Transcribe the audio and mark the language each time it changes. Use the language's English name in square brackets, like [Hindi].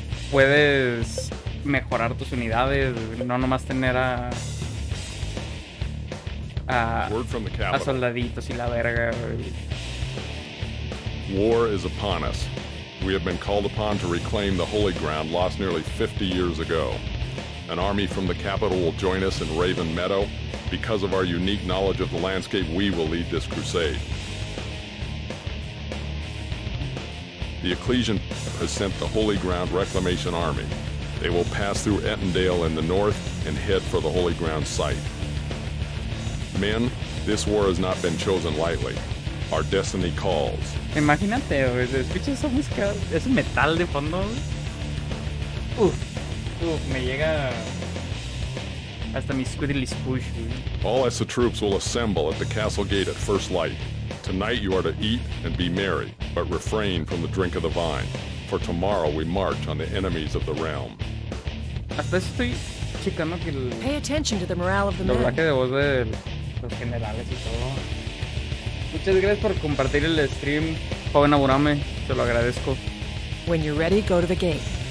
[Spanish] puedes mejorar tus unidades, no nomás tener a soldaditos y la verga. [English] War is upon us. We have been called upon to reclaim the holy ground lost nearly 50 years ago. An army from the capital will join us in Raven Meadow. Because of our unique knowledge of the landscape, we will lead this crusade. The Ecclesian has sent the Holy Ground Reclamation Army. They will pass through Ettendale in the north and head for the Holy Ground site. Men, this war has not been chosen lightly. Our destiny calls. [Spanish] Imagínate, escucha esa música, ese metal de fondo. Uf, me llega hasta mi squiddly spush. [English] All ESSA troops will assemble at the castle gate at first light. Tonight you are to eat and be merry, but refrain from the drink of the vine, for tomorrow we march on the enemies of the realm. [Spanish] Hasta estoy checando que el... [English] Pay attention to the morale of the men. [Spanish] Doblaje de voz de los generales y todo. Muchas gracias por compartir el stream, joven Aburame, te lo agradezco. [English] When you're ready, go to the gate.